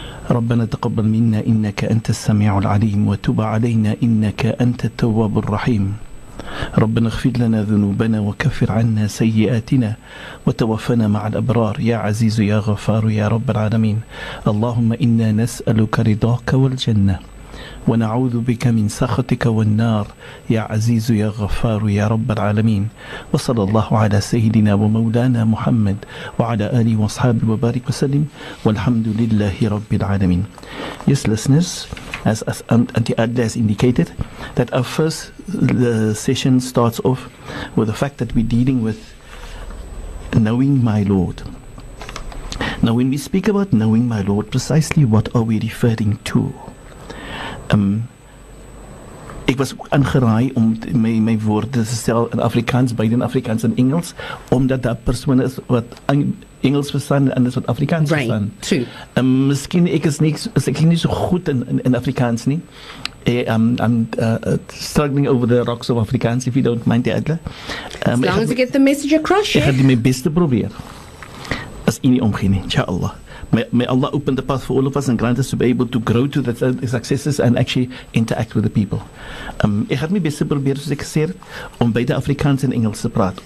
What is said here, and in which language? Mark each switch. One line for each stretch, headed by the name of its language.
Arabic: ربنا تقبل منا إنك أنت السميع العليم وتب علينا إنك أنت التواب الرحيم ربنا اغفر لنا ذنوبنا وكفر عنا سيئاتنا وتوفنا مع الأبرار يا عزيز يا غفار يا رب العالمين اللهم إنا نسألك رضاك والجنة ونعوذ بك من سخطك والنار يا عزيز يا غفار يا رب العالمين وصلى الله على سيدنا ومولانا محمد وعلى آله وصحبه وبارك وسلم والحمد لله رب العالمين.
English: Yes, listeners, as Auntie Adla has indicated, that our first session starts off with the fact that we're dealing with knowing my Lord. Now, when we speak about knowing my Lord, precisely what are we referring to?
Afrikaans: Ek was aangeraai om my woorde te stel in Afrikaans, beide in Afrikaans en Engels, omdat daar persoon is wat Engels verstaan en anders wat Afrikaans
English: right,
Afrikaans: verstaan.
English: True.
Afrikaans: Miskien ek is nie so goed in Afrikaans nie.
English: I'm struggling over the rocks of Afrikaans, if you don't mind, Adler. As long as you get the message across,
Afrikaans: ek gaan die my beste probeer. As jy nie omgee nie, inshallah.
English: May Allah open the path for all of us and grant us to be able to grow to the successes and actually interact with the people.
Afrikaans: Ek het my beste probeer, soos ek gesê het, om beide Afrikaans en Engels te praat.